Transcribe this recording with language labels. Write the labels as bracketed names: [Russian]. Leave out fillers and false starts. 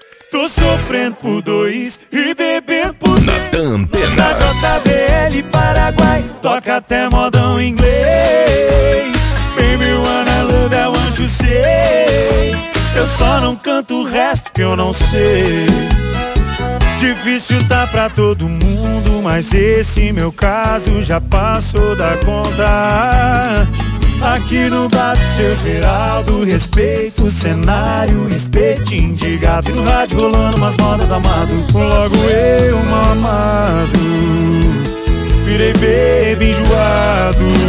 [Portuguese] Tô sofrendo por dois e bebendo por três. Natã Antenas. Na JBL Paraguai, toca até modão inglês. [English] Baby, wanna love, I want you say. [Portuguese] Eu só não canto o resto que eu não sei. Difícil tá pra todo mundo, mas esse meu caso já passou da conta. Aqui no bar do seu Geraldo, respeito o cenário, espetinho de gato. E no rádio rolando umas modas do amado, logo eu mamado, virei bebê enjoado.